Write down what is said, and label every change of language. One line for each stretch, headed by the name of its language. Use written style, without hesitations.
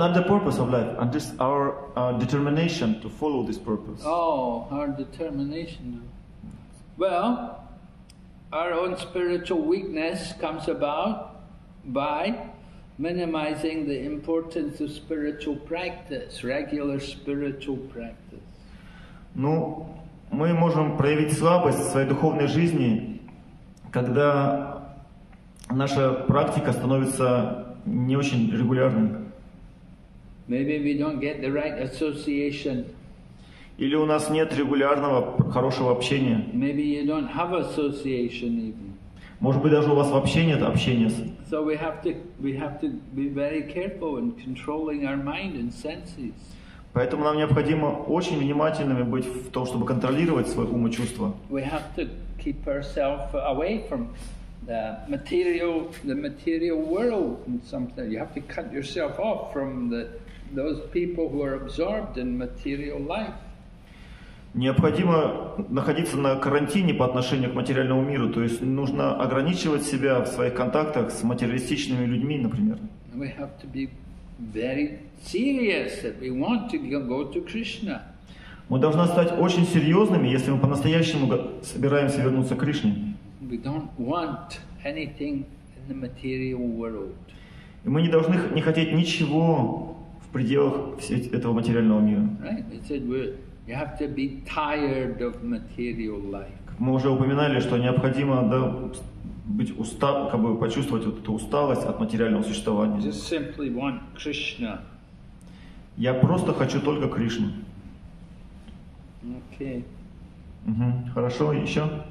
English: Not the purpose of life, and just our determination to follow this purpose. Oh, our determination. Well, our own spiritual weakness comes about by minimizing the importance of spiritual practice, regular spiritual practice.
Russian: Ну, мы можем проявить слабость в своей духовной жизни, когда наша практика становится не очень регулярным.
English: Maybe we don't get the right association.
Russian: Или у нас нет регулярного хорошего общения.
English: Maybe you don't have association even.
Russian: Может быть, даже у вас вообще нет общения.
English: So we have to be very careful in controlling our mind and senses.
Russian: Поэтому нам необходимо очень внимательными быть в том, чтобы контролировать свой ум и чувства.
English: We have to keep ourselves away from the material world and something. You have to cut yourself off from those people who are absorbed in material life.
Russian: Необходимо находиться на карантине по отношению к материальному миру, то есть нужно ограничивать себя в своих контактах с материалистичными людьми, например.
English: We have to be very serious if we want to go to Krishna.
Russian: Мы должны стать очень серьезными, если мы по-настоящему собираемся вернуться к Кришне.
English: We don't want anything in the material world.
Russian: И мы не должны не хотеть ничего в пределах этого материального мира.
English: Right? They said you have to be tired of material life.
Russian: Мы уже упоминали, что необходимо, да, быть устал, как бы почувствовать вот эту усталость от материального существования.
English: Just simply want Krishna.
Russian: Я просто хочу только Кришну.
English: Okay.
Russian: Угу. Хорошо, еще.